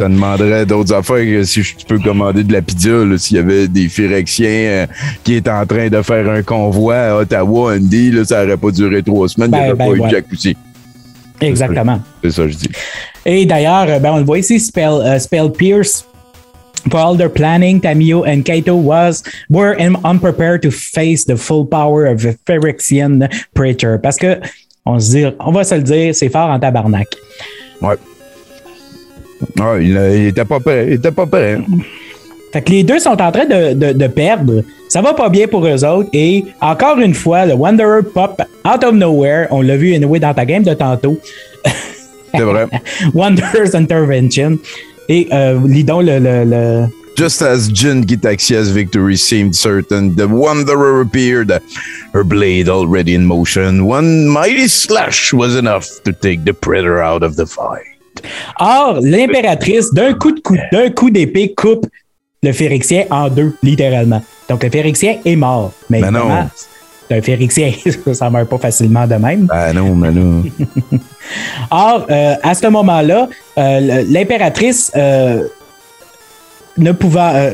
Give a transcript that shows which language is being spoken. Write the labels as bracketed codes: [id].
[fr] Ça demanderait d'autres affaires que si tu peux commander de la pizza, là, s'il y avait des Phyrexiens qui étaient en train de faire un convoi à Ottawa, Andy, là, ça n'aurait pas duré 3 semaines, il n'y aurait pas eu de jacuzzi. Exactement. C'est ça, je dis. Et d'ailleurs, ben, on le voit ici, Spell Pierce. [en] For all their planning, Taimyo and Kaito were unprepared to face the full power of a Phyrexian Praetor. [fr] Parce que, on va se le dire, c'est fort en tabarnak. Ouais. Ouais, il était pas prêt. Fait que les deux sont en train de perdre. Ça va pas bien pour eux autres. Et encore une fois, le Wanderer [en] pop out of nowhere. [fr] On l'a vu anyway dans ta game de tantôt. C'est vrai. Wanderer's Intervention. Et lis-donc le... [en] Just as Jin Gitaxias' victory seemed certain, the Wanderer appeared, her blade already in motion. One mighty slash was enough to take the Praetor out of the fight. [fr] Or, l'impératrice, d'un coup d'épée, coupe le Phyrexien en deux, littéralement. Donc, le Phyrexien est mort. Mais non. Un Phyrexien, ça meurt pas facilement de même. Ben non. Or, à ce moment-là, l'impératrice ne pouvant...